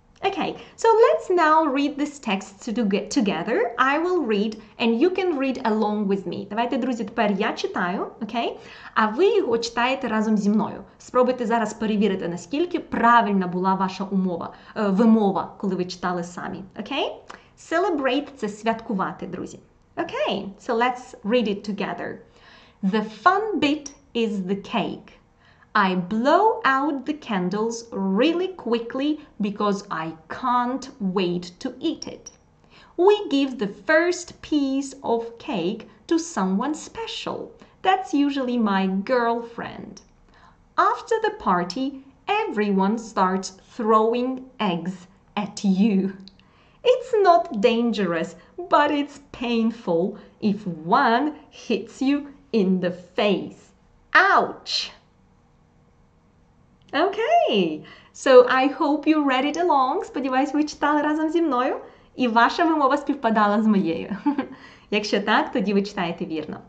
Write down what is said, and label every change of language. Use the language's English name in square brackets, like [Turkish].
[English] Okay, so let's now read this text to get together. I will read and you can read along with me. [Ukrainian] Давайте, друзі, тепер я читаю, okay? А ви його читаєте разом зі мною. Спробуйте зараз перевірити, наскільки правильна була ваша вимова, коли ви читали самі, okay? [English] Celebrate – [Ukrainian] це святкувати, друзі. [English] Okay, so let's read it together. The fun bit is the cake. I blow out the candles really quickly because I can't wait to eat it. We give the first piece of cake to someone special. That's usually my girlfriend. After the party, everyone starts throwing eggs at you. It's not dangerous, but it's painful if one hits you in the face. Ouch! Okay, so I hope you read it along. [Ukrainian] Сподіваюсь, ви читали разом зі мною і ваша вимова співпадала з моєю. Якщо так, тоді ви читаєте вірно.